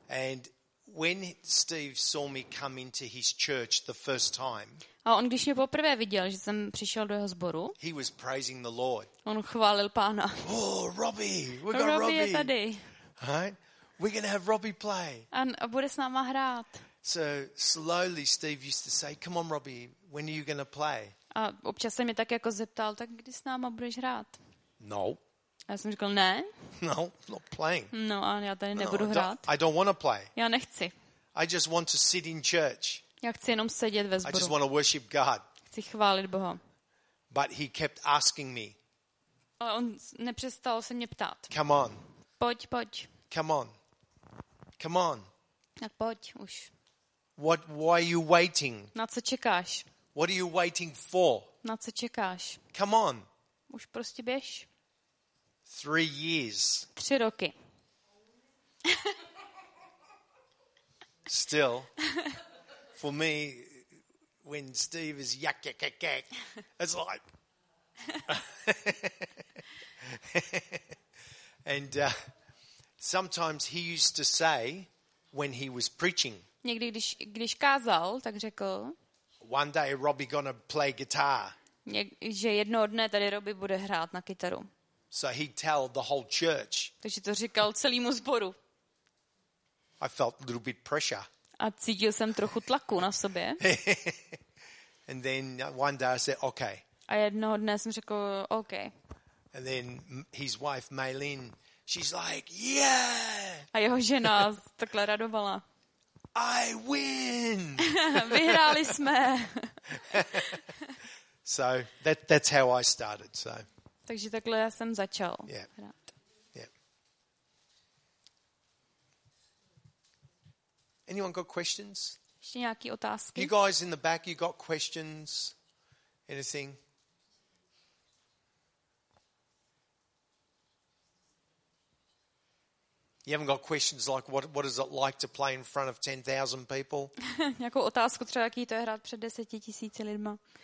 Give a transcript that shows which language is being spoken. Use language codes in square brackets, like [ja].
[en] And when Steve saw me come into his church the first time. [cs] A on když mě poprvé viděl, že jsem přišel do jeho sboru. [en] He was praising the Lord. [cs] On chválil Pána. [en] Oh, Robbie, we got Robbie. [cs] Je tady. [en] Right? We're gonna have Robbie play. [cs] A bude s náma hrát. [en] So slowly Steve used to say, "Come on, Robbie, when are you going to play?" [cs] A občas se mě tak jako zeptal, tak kdy s náma budeš hrát? [en] No. [cs] A já jsem řekl, ne. [en] No, not playing. [cs] No, a já tady nebudu hrát. [en] I don't want to play. [cs] Já nechci. [en] I just want to sit in church. [cs] Já chci jenom sedět ve sboru. [en] I just want to worship God. [cs] Chci chválit Boha. [en] But he kept asking me. [cs] Ale on nepřestal se mě ptát. [en] Come on. [cs] Pojď, pojď. [en] Come on. Come on. [cs] Tak pojď už. [en] What? Why are you waiting? [cs] Na co čekáš? [en] What are you waiting for? [cs] Na co čekáš? [en] Come on. [cs] Už prostě běž. [en] 3 years. [cs] 3 roky. [en] Still, for me, when Steve is yak yak yak yak, it's like, and sometimes he used to say when he was preaching. [cs] Někdy když kázal, tak řekl. [en] One day Robbie gonna play guitar. [cs] Že jednoho dne tady Robbie bude hrát na kytaru. [en] So he tell the whole church. [cs] Takže to říkal celému sboru. [en] I felt a little bit pressure. [cs] A cítil jsem trochu tlaku na sobě. [en] And then one day I said okay. [cs] A jednoho dne jsem řekl okay. [en] And then his wife Maylin, she's like yeah. [cs] A jeho žena takhle radovala. [en] I win. [cs] Vyhráli jsme. [en] So that's how I started, so. [cs] Takže takhle já jsem začal. [en] Yeah. [cs] Hrát. [en] Yeah. Anyone got questions? [cs] Ještě nějaký otázky? [en] You guys in the back, you got questions? Anything? You haven't got questions like what is it like to play in front of 10,000 people? [cs] Nějakou otázku třeba, jaký to je hrát před 10,000 lidma.